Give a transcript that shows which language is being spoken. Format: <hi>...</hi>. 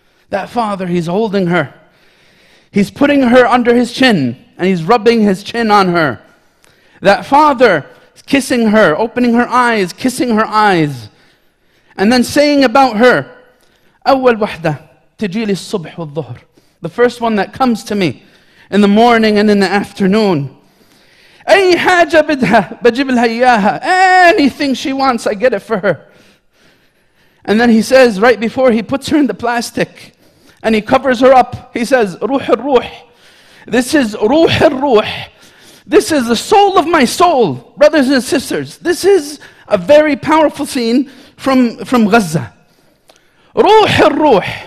<en>That father, he's holding her. He's putting her under his chin and he's rubbing his chin on her. That father is kissing her, opening her eyes, kissing her eyes, and then saying about her,</en> <ar>أول وحدة تجيلي الصبح والظهر.</ar> <en>The first one that comes to me in the morning and in the afternoon.</en> <ar>أي حاجة بدها بجيب لها إياها.</ar> <en>Anything she wants, I get it for her. And then he says, right before he puts her in the plastic, and he covers her up. He says, Ruh al-Ruh. This is Ruh al-Ruh. This is the soul of my soul. Brothers and sisters, this is a very powerful scene from Gaza. Ruh al-Ruh.</en>